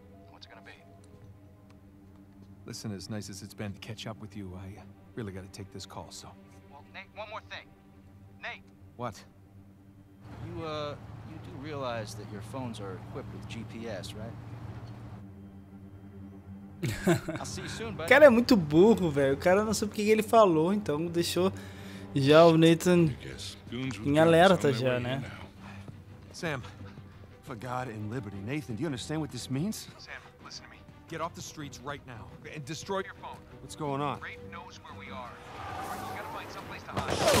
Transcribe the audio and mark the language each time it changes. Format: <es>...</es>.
<en>What's it gonna be? Listen, as nice as it's been to catch up with you, I really gotta take this call, so... Well, Nate, one more thing. Nate! What? You do realize that your phones are equipped with GPS, right?</en> <pt>O cara é muito burro, velho. O cara não sabe o que ele falou, então deixou Já o Nathan em alerta já, né?</pt> <en>Sam, for God and liberty, Nathan, do you understand what this means? Sam, listen to me. Get off the streets right now and destroy your phone. What's going on? Rafe knows where we are. We gotta find some place to hide.</en>